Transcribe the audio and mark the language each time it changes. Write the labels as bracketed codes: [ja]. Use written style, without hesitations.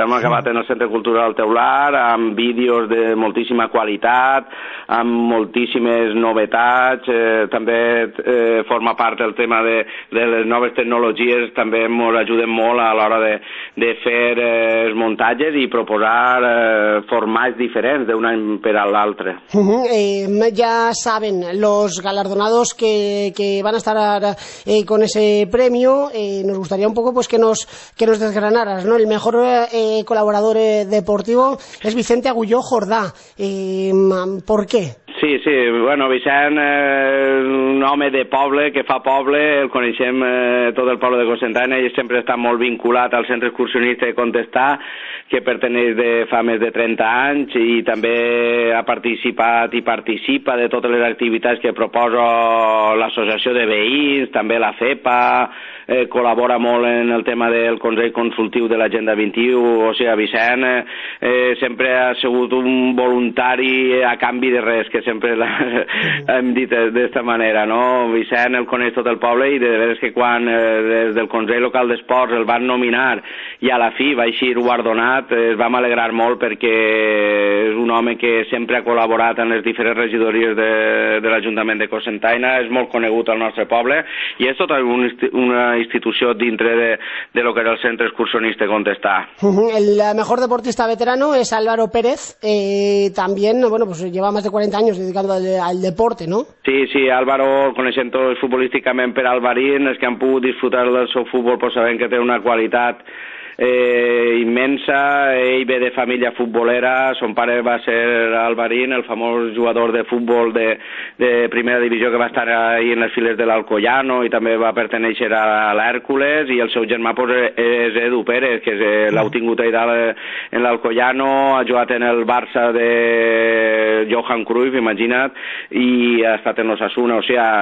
[ca] Hem acabat en el Centre Cultural Teular amb vídeos de moltíssima qualitat, amb moltíssimes novetats, també forma part del tema de les noves tecnologies, també ens ajuden molt a l'hora de fer els muntatges i proposar formats diferents d'un any per a l'altre. [es] Ja saben los galardonados que van a estar con ese premio. Nos gustaría un poco pues que nos desgranaras, ¿no? El mejor colaborador deportivo es Vicente Agulló Jordá. ¿Por qué? [ca] Sí, sí, bueno, Vicent és un home de poble, que fa poble, el coneixem tot el poble de Cocentaina, i sempre està molt vinculat al Centre Excursionista de Contestà, que pertenyeix de fa més de 30 anys, i també ha participat i participa de totes les activitats que proposa l'Associació de Veïns, també la FEPA, col·labora molt en el tema del Consell Consultiu de l'Agenda 21, o sigui, Vicent sempre ha sigut un voluntari a canvi de res, que sempre hem dit d'esta manera, no? Vicent el coneix tot el poble, i de veres que quan des del Consell Local d'Esports el van nominar i a la fi va eixir guardonat, es vam alegrar molt, perquè és un home que sempre ha col·laborat en les diferents regidories de l'Ajuntament de Cocentaina, és molt conegut al nostre poble, i és tota una institució dintre de lo que era el Centre Excursionista Contestà. [es] El mejor deportista veterano es Álvaro Pérez, también, bueno, pues lleva más de 40 años dedicado al deporte, ¿no? [ca] Sí, sí, Álvaro, coneixem tots futbolísticament per Alvarín, els que han pogut disfrutar del seu futbol, però sabem que té una qualitat immensa. Ell ve de família futbolera, son pare va ser Alvarín, el famós jugador de futbol de primera divisió que va estar ahí en les files de l'Alcoyano, i també va pertenecer a l'Hèrcules, i el seu germà pues, és Edu Pérez, que l'heu tingut ahí dalt en l'Alcoyano, ha jugat en el Barça de Johan Cruyff, imagina't, i ha estat en l'Osasuna, o sigui,